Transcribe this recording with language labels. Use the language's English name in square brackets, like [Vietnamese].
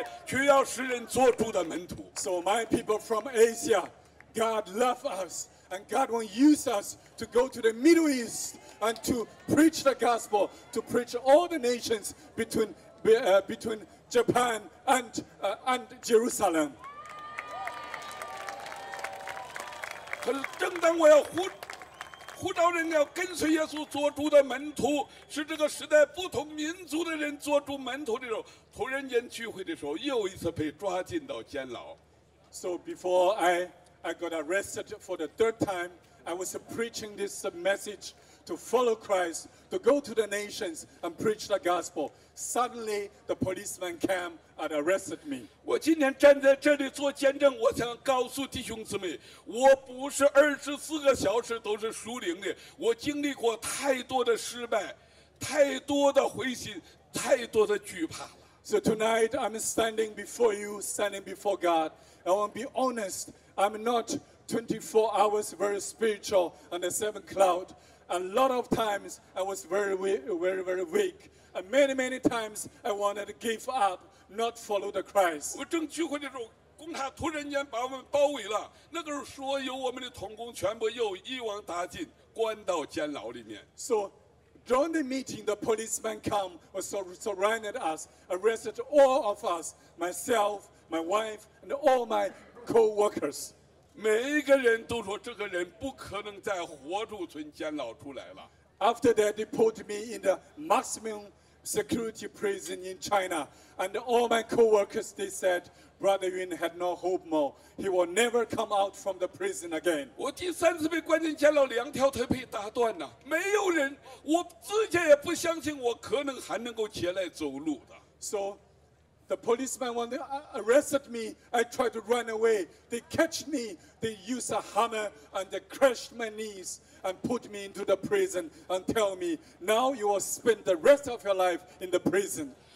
[Chinese] 欢迎你们来过神，来守祝棚节，来庆祝祝棚节。神给我们更大的呼召，还要叫我们去，要进到不同阿拉伯世界，去要世人做主的门徒。 [English] So my people from Asia, God love us, and God will use us to go to the Middle East and to preach the gospel, to preach all the nations between Japan and Jerusalem. [Chinese] 可是正当我要呼召人要跟随耶稣做主的门徒，是这个时代不同民族的人做主门徒的时候，突然间聚会的时候，又一次被抓进到监牢。 [English] So before I got arrested for the third time, I was preaching this message to follow Christ, to go to the nations and preach the gospel. Suddenly, the policeman came and arrested me. [Chinese] 我今天站在这里做见证，我想告诉弟兄姊妹，我不是24个小时都是属灵的，我经历过太多的失败。太多的灰心，太多的惧怕了。 [English] So tonight I'm standing before you, standing before God. I want to be honest. I'm not 24 hours very spiritual on the seventh cloud. A lot of times I was very weak. And many times I wanted to give up, not follow the Christ. [Chinese] 我正聚会的时候，工厂突然间把我们包围了，那个时候所有我们的同工全部又一网打尽，关到监牢里面。 [English] So during the meeting, the policeman came and surrounded us, arrested all of us, myself, my wife, and all my co-workers. [Chinese] 每一个人都说这个人不可能再活着从监牢出来了。 [English] After that, they put me in the maximum security prison in China, and all my co-workers, they said. Brother Yun had no hope more. He will never come out from the prison again. [Chinese] 我第三次被关进监牢，两条腿被打断了。没有人，我自己也不相信我可能还能够起来走路的。 [English] So, the policeman when they arrested me, I tried to run away. They catch me. They use a hammer and they crushed my knees and put me into the prison and tell me, now you will spend the rest of your life in the prison.